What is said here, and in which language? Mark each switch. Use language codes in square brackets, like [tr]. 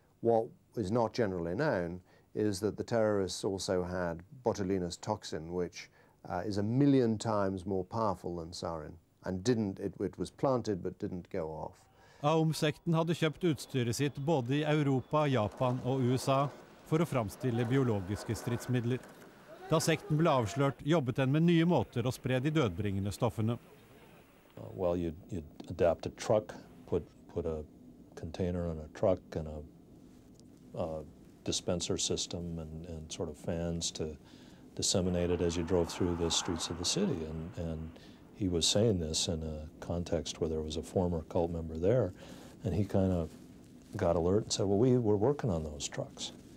[en] What is not generally known is that the terrorists also had botulinus toxin, which is a million times more powerful than sarin, and it was planted but didn't go off. [no] Aum-sekten hadde kjøpt utstyret sitt både I Europa, Japan og USA for å framstille biologiske stridsmidler. Da sekten ble avslørt, jobbet den med nye måter å spre de dødbringende stoffene. [en] Well, you'd adapt a truck, put a container on a truck and a dispenser system and sort of fans to disseminate it as you drove through the streets of the city. And he was saying this in a context where there was a former cult member there, and he kind of got alert and said, well, we were working on those trucks.